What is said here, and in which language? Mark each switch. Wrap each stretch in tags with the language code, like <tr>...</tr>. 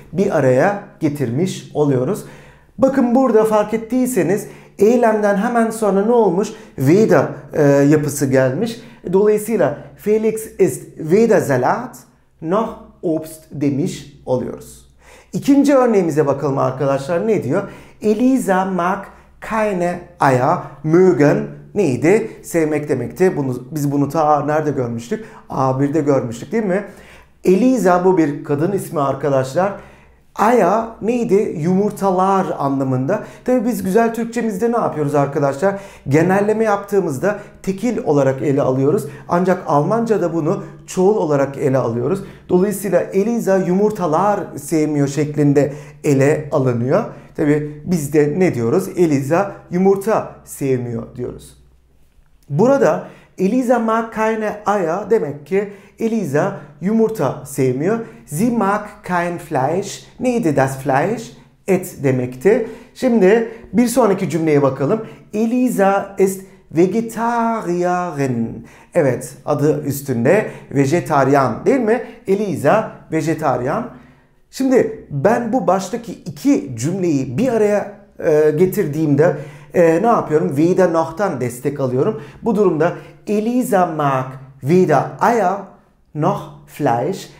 <tr>Bir araya getirmiş oluyoruz. Bakın burada fark ettiyseniz eylemden hemen sonra ne olmuş? Weder yapısı gelmiş. Dolayısıyla</tr> <de>Felix ist weder Salat noch Obst</de> <tr>demiş oluyoruz. İkinci örneğimize bakalım arkadaşlar ne diyor?</tr> <de>Elisa mag keine Eier mögen.</de> <tr>Neydi? Sevmek demekti. Biz bunu ta nerede görmüştük? A1'de görmüştük değil mi? Elisa bu bir kadın ismi arkadaşlar. Aya neydi? Yumurtalar anlamında. Tabi biz güzel Türkçemizde ne yapıyoruz arkadaşlar? Genelleme yaptığımızda tekil olarak ele alıyoruz. Ancak Almanca'da bunu çoğul olarak ele alıyoruz. Dolayısıyla Elisa yumurtalar sevmiyor şeklinde ele alınıyor. Tabi biz de ne diyoruz? Elisa yumurta sevmiyor diyoruz. Burada</tr> <de>Elisa mag keine Eier</de> <tr>demek ki Elisa yumurta sevmiyor.</tr> <de>Sie mag kein Fleisch.</de> <tr>Neydi</tr> <de>das Fleisch?</de> <tr>Et demekti. Şimdi bir sonraki cümleye bakalım.</tr> <de>Elisa ist Vegetarierin.</de> <tr>Evet, adı üstünde vejetaryen değil mi? Elisa vejetaryen. Şimdi ben bu baştaki iki cümleyi bir araya getirdiğimde ne yapıyorum? Weder noch'tan destek alıyorum. Bu durumda</tr> <de>Elisa mag weder Eier noch Fleisch.</de>